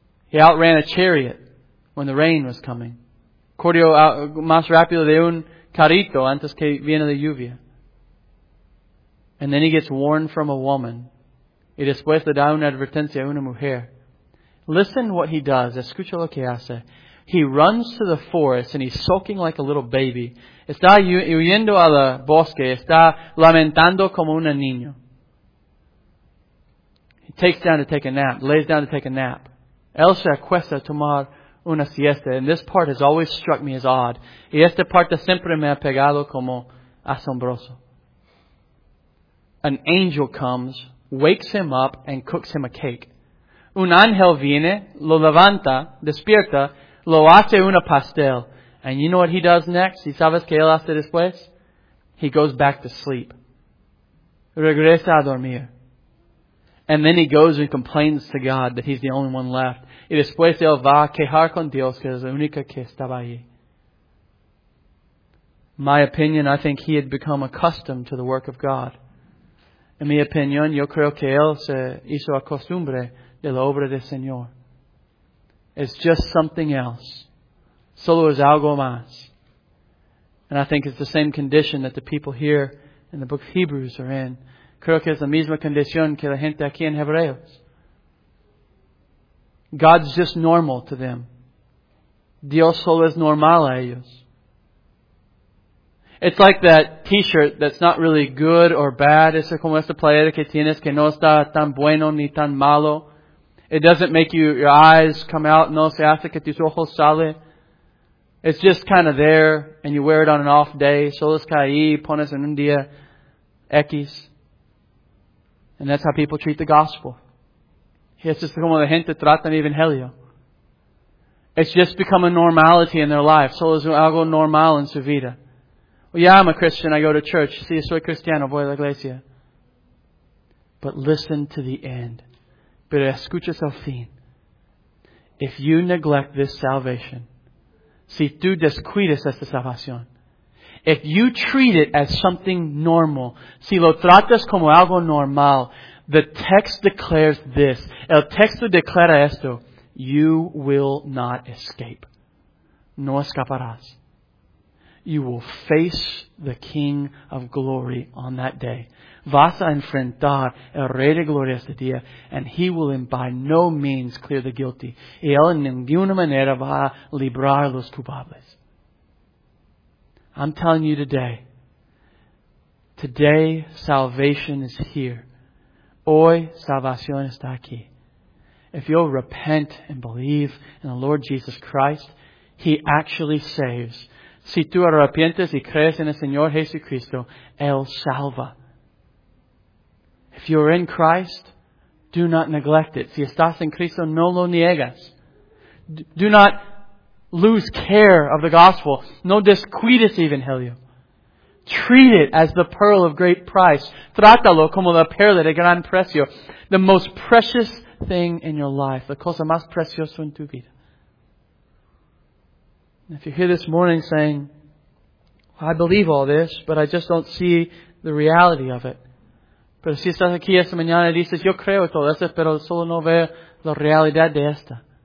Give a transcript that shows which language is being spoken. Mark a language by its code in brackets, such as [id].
[en] He outran a chariot when the rain was coming. [es] Corrió más rápido de un carrito antes que viene la lluvia. [en] And then he gets warned from a woman. [es] Y después le da una advertencia a una mujer. [en] Listen what he does. [es] Escucha lo que hace. [en] He runs to the forest and he's soaking like a little baby. [es] Está huyendo al bosque. Está lamentando como un niño. [en] He takes down to take a nap. Lays down to take a nap. [es] Él se acuesta a tomar una siesta. [en] And this part has always struck me as odd. [es] Y esta parte siempre me ha pegado como asombroso. [en] An angel comes, wakes him up, and cooks him a cake. [es] Un ángel viene, lo levanta, despierta, lo hace una pastel. [en] And you know what he does next? [es] ¿Y sabes qué él hace después? [en] He goes back to sleep. [es] Regresa a dormir. [en] And then he goes and complains to God that he's the only one left. [es] Y después él va a quejar con Dios, que es la única que estaba ahí. [en] My opinion, I think he had become accustomed to the work of God. [es] En mi opinión, yo creo que él se hizo acostumbre de la obra del Señor. [en] It's just something else. [es] Solo es algo más. [en] And I think it's the same condition that the people here in the book of Hebrews are in. [es] Creo que es la misma condición que la gente aquí en Hebreos. [en] God's just normal to them. [es] Dios solo es normal a ellos. [en] It's like that t-shirt that's not really good or bad. [es] Es como esta playera que tienes que no está tan bueno ni tan malo. [en] It doesn't make you your eyes come out. [es] No se hace que tus ojos salen. [en] It's just kind of there, and you wear it on an off day. [es] Solo es que ahí pones en un día X. [en] And that's how people treat the gospel. [es] Es just como la gente trata el evangelio. [en] It's just become a normality in their life. [es] Solo es algo normal en su vida. [en] Well, yeah, I'm a Christian. I go to church. [es] Sí, soy cristiano. Voy a la iglesia. [en] But listen to the end. [es] Pero escuchas al fin. [en] If you neglect this salvation, [es] si tú descuides esta salvación, [en] if you treat it as something normal, [es] si lo tratas como algo normal, [en] the text declares this. [es] El texto declara esto. [en] You will not escape. [es] No escaparás. [en] You will face the King of Glory on that day. [es] Vas a enfrentar el Rey de Gloria este día, [en] and He will in by no means clear the guilty. [es] Y Él en ninguna manera va a librar los culpables. [en] I'm telling you today, today salvation is here. [es] Hoy salvación está aquí. [en] If you'll repent and believe in the Lord Jesus Christ, He actually saves. [es] Si tú arrepientes y crees en el Señor Jesucristo, Él salva. [en] If you are in Christ, do not neglect it. [es] Si estás en Cristo, no lo niegas. [en] Do not lose care of the gospel. [es] No descuides el Evangelio. [en] Treat it as the pearl of great price. [es] Trátalo como la perla de gran precio. [en] The most precious thing in your life. [es] La cosa más preciosa en tu vida. [en] And if you're here this morning saying, I believe all this, but I just don't see the reality of it. [es] Pero si estás aquí esta mañana y dices, yo creo todo eso, pero solo no veo la realidad de esta.